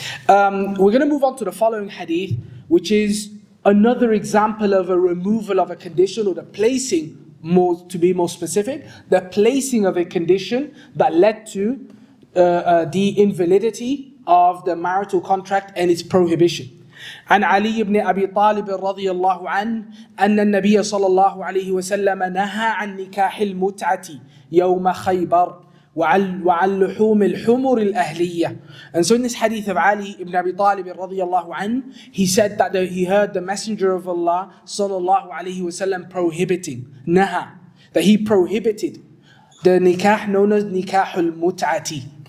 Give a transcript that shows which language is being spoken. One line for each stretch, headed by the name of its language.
English: We're going to move on to the following hadith, which is another example of a removal of a condition, or the placing, more to be more specific, the placing of a condition that led to the invalidity of the marital contract and its prohibition.
Arabic: عن علي بن أبي طالب رضي الله عنه أن النبي صلى الله عليه وسلم نهى عن نكاح المتعة يوم خيبر وعن لحوم الحمر الأهلية.
English: And so in this hadith of Ali ibn Abi Talib
Arabic: رضي الله عنه,
English: he said that he heard the Messenger of Allah
Arabic: صلى الله عليه وسلم
English: prohibiting, نهى, that he prohibited the nikah known as nikah al-mut'ati.